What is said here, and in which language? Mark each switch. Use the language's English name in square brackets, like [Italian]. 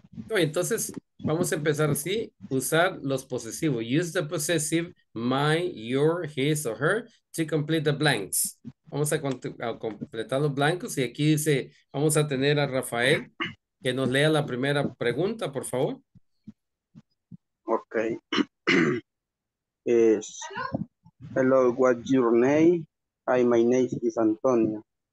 [Spanish] Entonces, vamos a empezar así, usar los posesivos. [English] Use the possessive my, your, his or her to complete the blanks. [Spanish] Vamos a completar los blancos y aquí dice, vamos a tener a Rafael. Que nos lea la primera pregunta, por favor. [English] Okay. Hello, what's your name? Hi, my name is Antonio.